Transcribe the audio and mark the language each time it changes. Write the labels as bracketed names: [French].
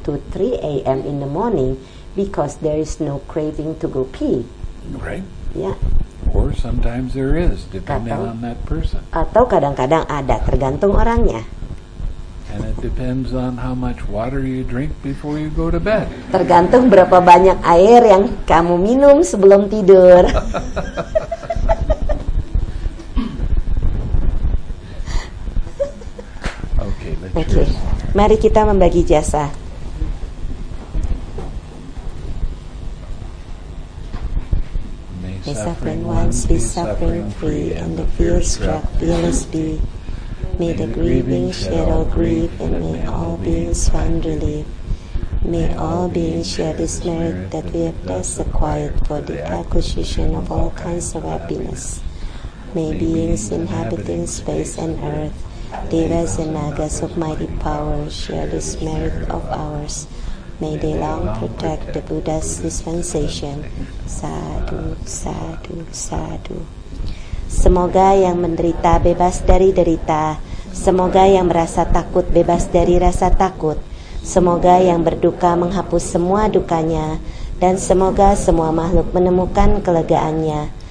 [English] to 3 a.m. in the morning? Because there is no craving to go pee. Right. Yeah. Or sometimes there is, depending on that person. [Indonesian] Atau kadang-kadang ada, tergantung orangnya. [English] And it depends on how much water you drink before you go to bed. [Indonesian] Tergantung berapa banyak air yang kamu minum sebelum tidur. [English] Okay, let's okay. [Indonesian] Mari kita membagi jasa. [English] May suffering ones be suffering free and the fear struck fearless be. May the grieving shadow grieve, and may all beings find relief. May all beings share this merit that we have thus acquired for the acquisition of all kinds of happiness. May beings inhabiting space and earth, devas and nagas of mighty power, share this merit of ours. May they long protect the Buddha's dispensation. [Pali] Sadhu, sadhu, sadhu. [Indonesian] Semoga yang menderita bebas dari derita. Semoga yang merasa takut bebas dari rasa takut. Semoga yang berduka menghapus semua dukanya. Dan semoga semua makhluk menemukan kelegaannya.